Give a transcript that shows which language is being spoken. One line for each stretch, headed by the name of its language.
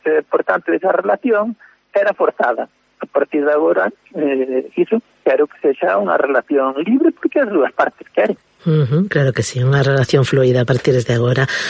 Spanish: Por tanto, esa relación era forzada.
Galician: A partir de agora, iso, quero que sexa unha relación libre, porque as dúas partes queren.
Spanish: Claro que sí, una relación fluida a partir de ahora.